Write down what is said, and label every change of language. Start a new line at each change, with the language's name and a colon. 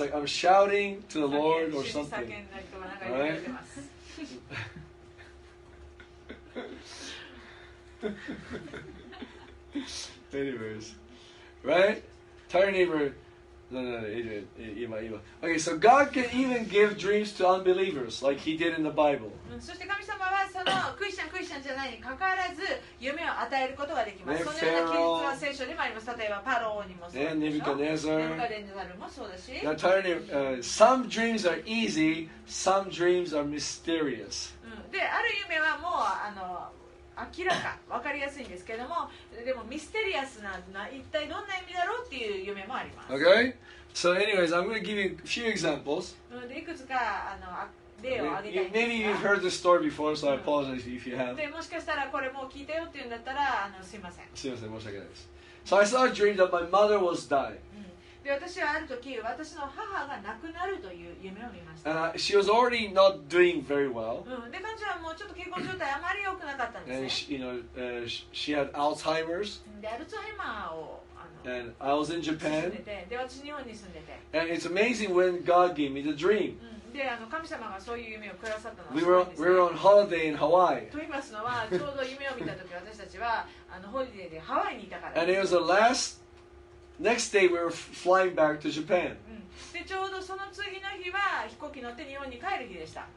English: like, I'm shouting to the Lord or something.
Japanese: 叫んだりとかなんか言ってます。
English: Anyways, right? Tell your neighbor. No, Adrian. Ima. Okay, so God can even give dreams to unbelievers, like He did in the Bible.
Japanese: そして神様はそのクリスチャンじゃないにかかわらず夢を与えることができます。そのような記述は聖書にもあります。例えばパロにもそうですよ。ネビカネザルもそうだし。
English: Now, tell your neighbor. Some dreams are easy. Some dreams are mysterious.
Japanese: で、ある夢はもう明らか、わかりやすいんですけども、でもミステリアスな、一体どんな意味だろうっていう夢もあります。
English: Okay? So anyways, I'm going to give you a few examples.
Japanese: いくつか例を挙げたいんですが。
English: Maybe you've heard the story before, so I apologize if you have.
Japanese: で、もしかしたらこれもう聞いたよっていうんだったら、すいません。すいません、申し訳ないです。
English: So I saw a dream that my mother was dying.
Japanese: で、私はある時、私の母が亡くなるという夢を見ました。
English: She was already not doing very well.
Japanese: で、彼女はもうちょっと健康状態あまり良くなかったんですね。
English: And she, you know, she had Alzheimer's.
Japanese: で、アルツハイマーを。
English: And I was in Japan.
Japanese: で、私日本に住んでて。
English: And it's amazing when God gave me the dream.
Japanese: で、神様がそういう夢をくださったのはすごいですね。
English: We were on holiday in Hawaii.
Japanese: と言いますのは、ちょうど夢を見た時、私たちはホリデーでハワイにいたから。
English: And it was the last. Next day, we were flying back to Japan.
Japanese: でちょうどその次の日は飛行機乗って日本に帰る日でした。